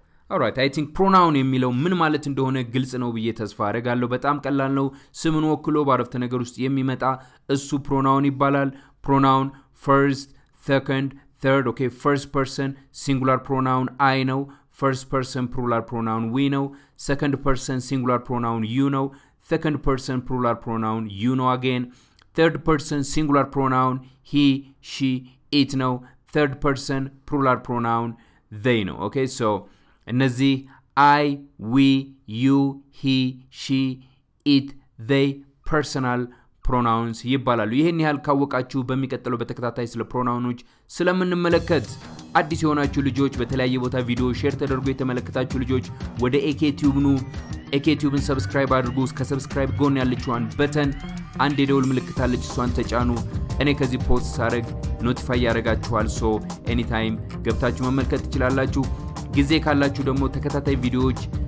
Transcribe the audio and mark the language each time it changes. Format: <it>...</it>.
<am>Alright, I think pronoun የሚለው ምን ማለት እንደሆነ ግልጽ ነው ብዬ ተስፋ አደርጋለሁ። በጣም ቀላል ነው። ስምን ወክሎ ባረፍተ ነገር ውስጥ የሚመጣ እሱ pronoun ይባላል።</am> <en>Pronoun first, second, third. Okay, first person singular pronoun I know. First person plural pronoun we know. Second person singular pronoun you know. Second person plural pronoun you know again. Third person singular pronoun he, she, it know. Third person plural pronoun they know. Okay, so</en> <am>እነዚህ</am> <en>I, we, you, he, she, it, they personal pronouns</en> <am>ይባላሉ። ይሄን ያህል ካወቃችሁ በሚቀጥለው በተከታታይ ስለ ፕሮናውኖች ስለምንመለከት አዲስ የሆናችሁ ልጆች በተለያየ ቦታ ቪዲዮ ሼር ተደርጎ የተመለከታችሁ ልጆች ወደ AKTube ን ሰብስክራይብ አድርጉ። ከሰብስክራይብ ጎን ያለችዋን በተን አንድ የደውል ምልክት አለች እሷን ተጫኑ። እኔ ከዚህ ፖስት ሳረግ ኖቲፋይ ያረጋችኋል። ሶ ኤኒታይም ገብታችሁ መመልከት ትችላላችሁ። ጊዜ ካላችሁ ደግሞ ተከታታይ ቪዲዮዎች</am>